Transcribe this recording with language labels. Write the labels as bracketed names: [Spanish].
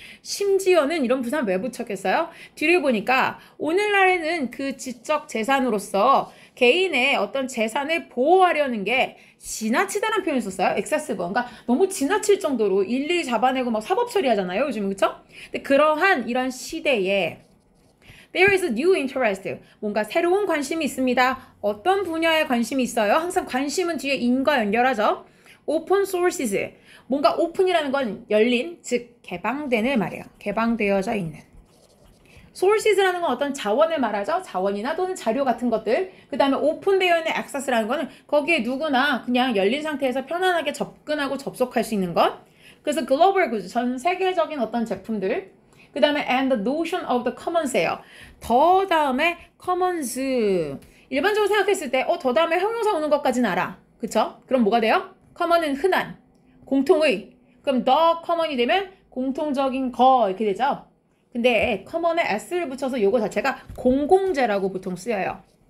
[Korean] 심지어는 이런 부산 왜 붙였겠어요? 뒤를 보니까 오늘날에는 그 지적 재산으로서 개인의 어떤 재산을 보호하려는 게 지나치다는 표현을 썼어요. [English] Excessive. [Korean] 그러니까 너무 지나칠 정도로 일일이 잡아내고 막 사법 처리하잖아요. 요즘은 그쵸? 근데 그러한 이런 시대에 [English] There is a new interest. [Korean] 뭔가 새로운 관심이 있습니다. 어떤 분야에 관심이 있어요? 항상 관심은 뒤에 인과 연결하죠. [English] Open sources. [Korean] 뭔가 오픈이라는 건 열린, 즉 개방된을 말해요. 개방되어져 있는. Sources라는 건 어떤 자원을 말하죠. 자원이나 또는 자료 같은 것들. 그 다음에 오픈되어 있는 access라는 거는 거기에 누구나 그냥 열린 상태에서 편안하게 접근하고 접속할 수 있는 것. 그래서 [English] global goods, [Korean] 전 세계적인 어떤 제품들. 그 다음에 [English] and the notion of the commons [Korean] 예요. 더 다음에 [English] commons. [Korean] 일반적으로 생각했을 때, 더 다음에 형용사 오는 것까지는 알아. 그쵸? 그럼 뭐가 돼요? common은 흔한, 공통의. 그럼 the common이 되면 공통적인 거 이렇게 되죠? 근데 common에 s를 붙여서 요거 자체가 공공재라고 보통 쓰여요.